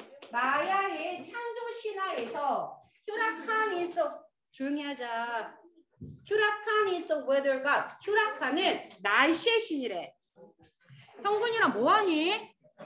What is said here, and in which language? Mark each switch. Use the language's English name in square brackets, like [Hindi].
[Korean] 마야의 창조 신화에서 휴라칸 [English] is the, [Korean] 조용히 하자. [English] 휴라칸 is the weather god. [Korean] 휴라칸은 날씨의 신이래. 형군이랑 뭐 하니?